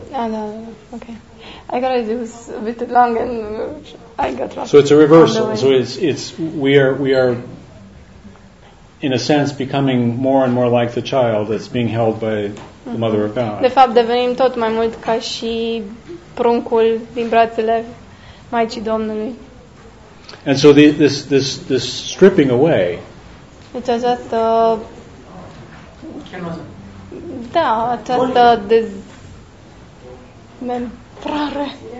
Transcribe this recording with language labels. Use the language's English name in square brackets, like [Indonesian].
[English] I got it was a bit long and I got lost. So it's a reversal. So it's we are in a sense becoming more and more like the child that's being held by the mother of God. [Romanian] De fapt devenim tot mai mult ca și pruncul din brațele Maicii Domnului. [English] And so this stripping away. [Romanian] Deci această, da, această dezmembrare.